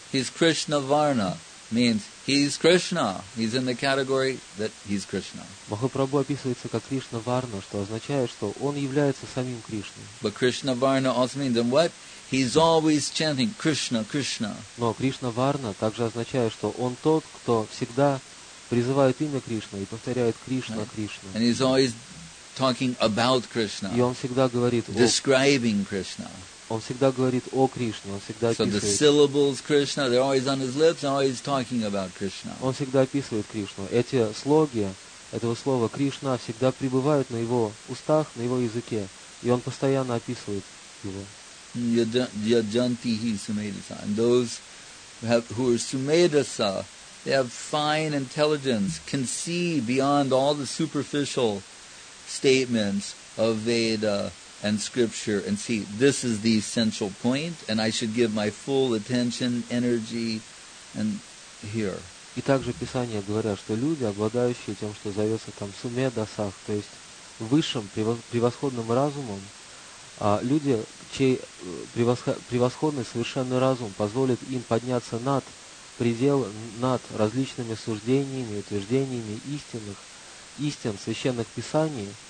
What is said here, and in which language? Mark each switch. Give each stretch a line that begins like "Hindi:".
English: He's Krishna Varna means he's Krishna. He's in the category that he's Krishna.
Russian: Махапрабху описывается как Кришна Варна, что означает, что он является самим Кришной.
English: But Krishna Varna also means and what? He's always chanting Krishna, Krishna.
Russian: Но Кришна Варна также означает, что он тот, кто всегда призывает имя Кришна и повторяет Кришна, Кришна.
English: And he's always talking about Krishna.
Russian: И он всегда говорит о
English: describing Krishna.
Russian: Он всегда говорит о Кришне, он всегда описывает.
English: So the syllables Krishna, they're always on his lips, always talking about Krishna.
Russian: Он всегда описывает Кришну. Эти слоги этого слова Кришна всегда пребывают на его устах, на его языке, и он постоянно описывает его.
Sanskrit: Yajanti hi sumedasa.
English: And those who are sumedasa, they have fine intelligence, can see beyond all the superficial statements of Veda and scripture and see this is the essential point and I should give my full attention, energy and here.
Russian: И также писания говорят, что люди, обладающие тем, что зовется там сумедасах, то есть высшим превосходным разумом, люди, чей превосходный совершенный разум позволит им подняться над предел, над различными суждениями, утверждениями истин священных писаний,